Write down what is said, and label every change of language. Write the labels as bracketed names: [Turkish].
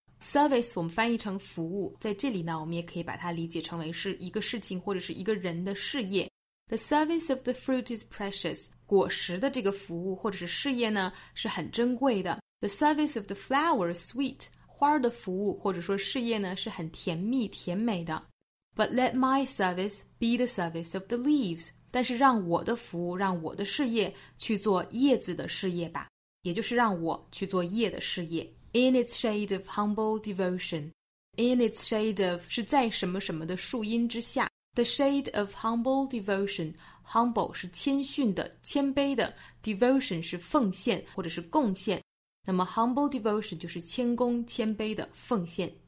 [Chinese] Service 我们翻译成服务，在这里呢我们也可以把它理解成为是一个事情或者是一个人的事业。 [English] The service of the fruit is precious. [Chinese] 果实的这个服务或者是事业呢是很珍贵的。 [English] The service of the flower is sweet. [Chinese] 花的服务或者说事业呢是很甜蜜甜美的。 [English] But let my service be the service of the leaves. [Chinese] 但是让我的服务让我的事业去做叶子的事业吧。也就是让我去做叶的事业。 [English] In its shade of humble devotion. In its shade of [Chinese] 是在什么什么的树荫之下。 [English] The shade of humble devotion. [Chinese] Humble 是谦逊的谦卑的， devotion 是奉献或者是贡献，那么 humble devotion 就是谦恭谦卑的奉献。